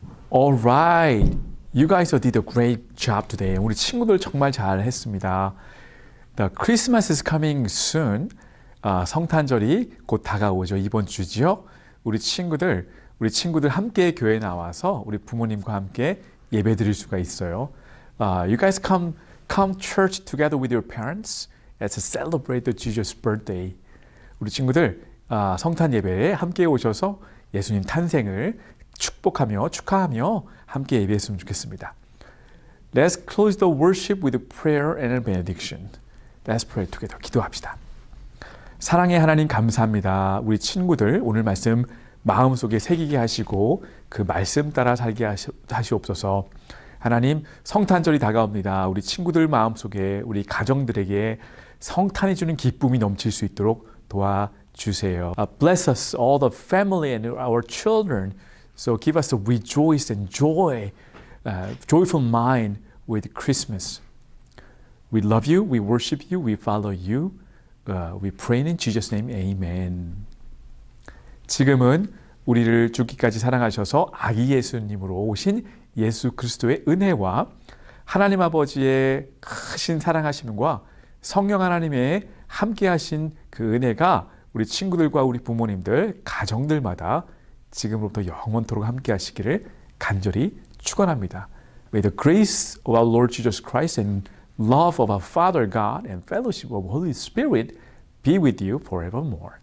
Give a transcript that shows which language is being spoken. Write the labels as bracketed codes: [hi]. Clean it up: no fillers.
[en] All right. You guys did a great job today. [ko] 우리 친구들 정말 잘했습니다. [en] The Christmas is coming soon. [ko] 성탄절이 곧 다가오죠. 이번 주죠. 우리 친구들 함께 교회 나와서 우리 부모님과 함께 예배 드릴 수가 있어요. [en] You guys come church together with your parents as a celebrate the Jesus birthday. [ko] 우리 친구들 성탄 예배에 함께 오셔서 예수님 탄생을 축하하며 함께 예배했으면 좋겠습니다. [en] Let's close the worship with a prayer and a benediction. Let's pray together. [ko] 기도합시다. 사랑의 하나님 감사합니다. 우리 친구들 오늘 말씀 마음속에 새기게 하시고 그 말씀 따라 살게 하시옵소서. 하나님, 성탄절이 다가옵니다. 우리 친구들 마음속에, 우리 가정들에게 성탄이 주는 기쁨이 넘칠 수 있도록 도와주세요. [en] Bless us, all the family and our children. So give us a rejoice and joy, joyful mind with Christmas. We love you, we worship you, we follow you. We pray in Jesus' name, amen. [ko] 지금은 우리를 죽기까지 사랑하셔서 아기 예수님으로 오신 예수 그리스도의 은혜와 하나님 아버지의 크신 사랑하심과 성령 하나님의 함께 하신 그 은혜가 우리 친구들과 우리 부모님들, 가정들마다 지금부터 영원토록 함께 하시기를 간절히 축원합니다. [en] May the grace of our Lord Jesus Christ and love of our Father God and fellowship of Holy Spirit be with you forevermore.